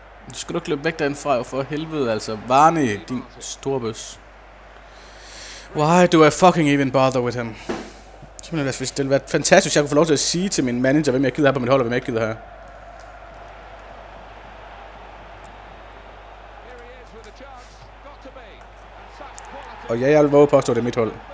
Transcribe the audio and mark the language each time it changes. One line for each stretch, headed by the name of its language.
Danish: Du skal ikke løbe væk derinde fra, for helvede altså. Varney, din store bøs.
English: Why do I fucking even bother with him?
Danish: Simpelthen, det ville være fantastisk, hvis jeg kunne få lov til at sige til min manager, hvem jeg gider her på mit hold, og hvem jeg ikke gider her. Og ja, jeg vil våge påstå, det er mit hold.